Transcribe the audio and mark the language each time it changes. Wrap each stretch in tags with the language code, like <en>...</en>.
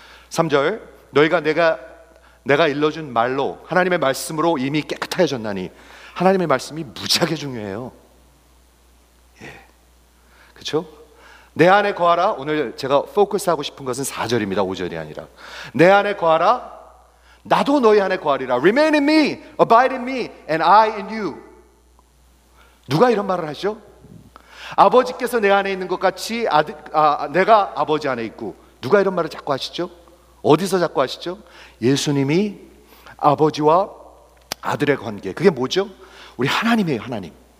<ko>3절, 너희가 내가 일러준 말로 하나님의 말씀으로 이미 깨끗해졌나니. 하나님의 말씀이 무지하게 중요해요. 예, 그렇죠? 내 안에 거하라. 오늘 제가 포커스하고 싶은 것은 4절입니다. 5절이 아니라 내 안에 거하라. 나도 너희 안에 거하리라.</ko> <en>Remain in me, abide in me, and I in you.</en> <ko>누가 이런 말을 하죠? 아버지께서 내 안에 있는 것 같이 내가 아버지 안에 있고. 누가 이런 말을 자꾸 하시죠? 어디서 자꾸 하시죠? 예수님이 아버지와 아들의 관계. 그게 뭐죠? 우리 하나님이에요, 하나님.</ko>